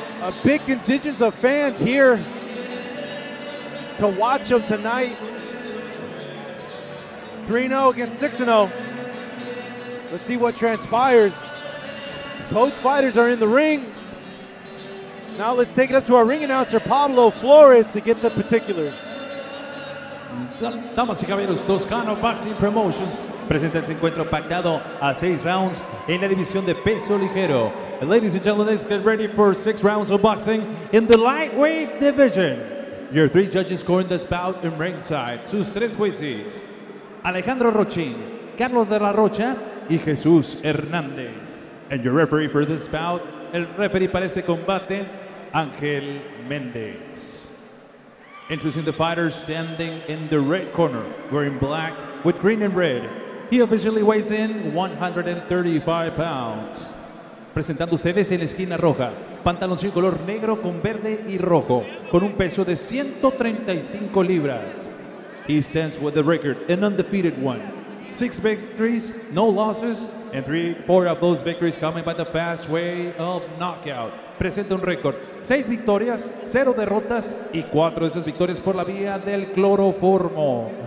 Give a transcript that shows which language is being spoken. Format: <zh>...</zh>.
<en>A big contingent of fans here to watch him tonight. 3-0 against 6-0. Let's see what transpires. Both fighters are in the ring. Now let's take it up to our ring announcer, Pablo Flores, to get the particulars.</en> <es>Damas y caballeros, Toscano Boxing Promotions presenta este encuentro pactado a 6 rounds en la división de peso ligero.</es> <en>Ladies and gentlemen, let's get ready for 6 rounds of boxing in the lightweight division. Your 3 judges scoring this bout in ringside.</en> <es>Sus 3 jueces,</es> <en>Alejandro Rochin, Carlos de la Rocha y Jesús Hernández. And your referee for this bout,</en> <es>el referee para este combate,</es> <en>Ángel Méndez. Introducing the fighters standing in the red corner, wearing black with green and red. He officially weighs in 135 pounds.</en> <es>Presentando ustedes en esquina roja, pantaloncillo color negro con verde y rojo, con un peso de 135 libras.</es> <en>He stands with the record, an undefeated one. 6 victories, no losses, and 3-4 of those victories coming by the fast way of knockout.</en> <es>Presenta un récord, 6 victorias, 0 derrotas y 4 de esas victorias por la vía del cloroformo.</es>